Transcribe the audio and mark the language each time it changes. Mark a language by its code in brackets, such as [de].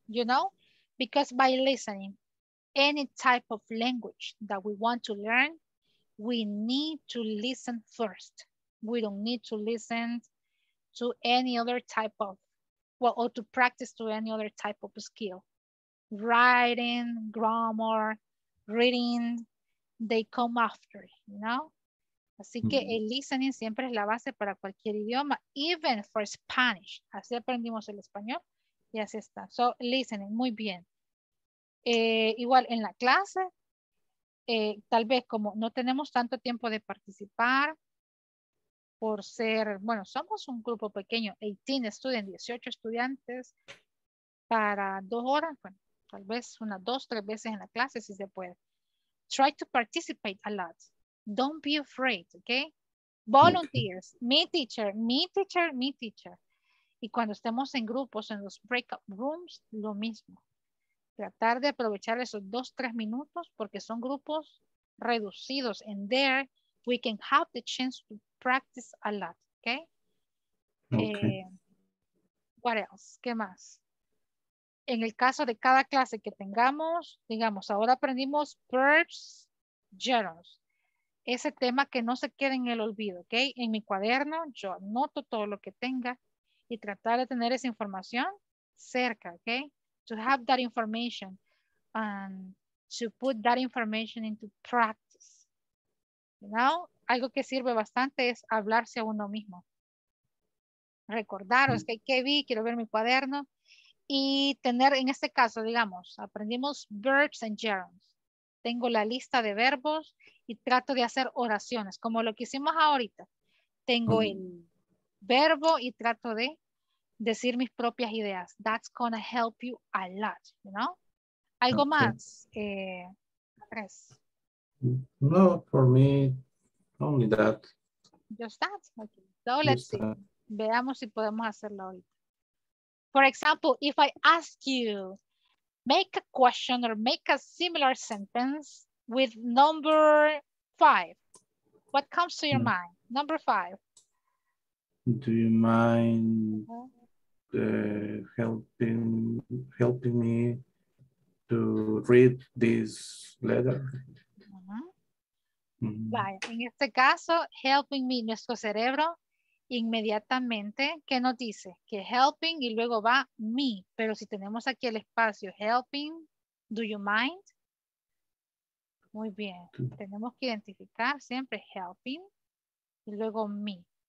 [en] You know, because by listening any type of language that we want to learn, we need to listen first. We don't need to listen to any other type of, well, or to practice to any other type of skill. Writing, grammar, reading, they come after, you know? [es] Así que el listening siempre es la base para cualquier idioma, [en] even for Spanish. [es] Así aprendimos el español y así está. So, listening, muy bien. Igual en la clase, tal vez como no tenemos tanto tiempo de participar por ser, bueno, somos un grupo pequeño, 18 estudiantes, 18 estudiantes para 2 horas, bueno, tal vez unas 2-3 veces en la clase si se puede. [en] Try to participate a lot. Don't be afraid, okay? Volunteers, okay. Me teacher. [es] Y cuando estemos en grupos, en los breakout rooms, lo mismo. Tratar de aprovechar esos 2-3 minutos porque son grupos reducidos. [en] And there, we can have the chance to practice a lot, okay? Okay. What else? [es] ¿Qué más? En el caso de cada clase que tengamos, digamos, ahora aprendimos verbs, gerunds. Ese tema que no se quede en el olvido, okay? En mi cuaderno, yo anoto todo lo que tenga y tratar de tener esa información cerca, okay? [en] To have that information and to put that information into practice. You know, [es] algo que sirve bastante es hablarse a uno mismo. Recordaros que qué vi, quiero ver mi cuaderno. Y tener, en este caso, digamos, aprendimos verbs and gerunds. Tengo la lista de verbos y trato de hacer oraciones, como lo que hicimos ahorita. Tengo el verbo y trato de decir mis propias ideas. [en] That's gonna help you a lot, you know? [es] Algo okay. Más, Andrés. [en] No, for me, only that. Just that? Okay. So let's see. [es] Veamos si podemos hacerlo ahorita. [en] For example, if I ask you, make a question or make a similar sentence with number five. What comes to your mind? Number five. Do you mind helping me to read this letter? [es] Vaya, en este caso, helping me, nuestro cerebro, inmediatamente, ¿qué nos dice? Que helping y luego va me, pero si tenemos aquí el espacio, helping, do you mind? Muy bien, tenemos que identificar siempre helping y luego me.